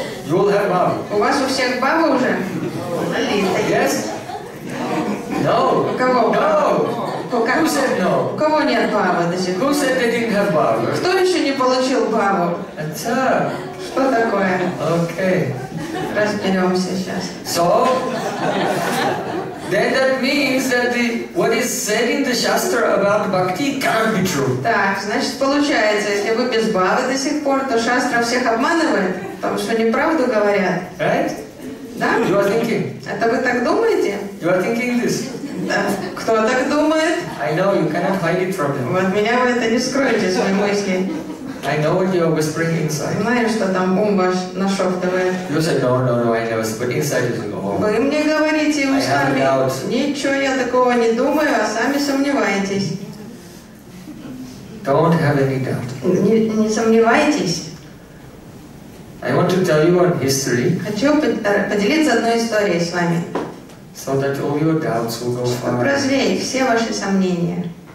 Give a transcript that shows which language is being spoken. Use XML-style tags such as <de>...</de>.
<en>You all have bhava.</en> <ru>У вас у всех бхава уже?</ru> <en>Yes. No.</en> <ru>У кого?</ru> <en>No. Who said no?</en> <ru>У кого нет бхавы до сих пор?</ru> <en>Who said they didn't have bhava?</en> <ru>Кто еще не получил бхаву? Это... Что такое?</ru> <en>Okay.</en> <ru>Разберемся сейчас.</ru> <en>So, then that means that what is said in the Shastra about bhakti can't be true.</en> <ru>Так, значит, получается, если вы без бхавы до сих пор, то Шастра всех обманывает, потому что неправду говорят.</ru> <en>Right?</en> <ru>Да?</ru> <en>You are thinking.</en> <ru>Это вы так думаете?</ru> <en>You are thinking this.</en> <ru>Кто так думает?</ru> <en>I know, you cannot hide it from him.</en> <ru>Вот меня вы это не скроете, свои мысли.</ru> <en>I know what you are whispering inside.</en> <ru>Знаю, что там ум ваш нашептывает.</ru> <en>You said, no, I never whispered inside, you go home.</en> <ru>Вы мне говорите устами.</ru> <en>I have a doubt.</en> <ru>Ничего я такого не думаю, а сами сомневаетесь.</ru> <en>Don't have any doubt.</en> <ru>Не сомневайтесь.</ru> <en>I want to tell you one history.</en> <ru>Хочу поделиться одной историей с вами.</ru> <en>So that all your doubts will go far.</en> <ru>Прозреть все ваши сомнения.</ru>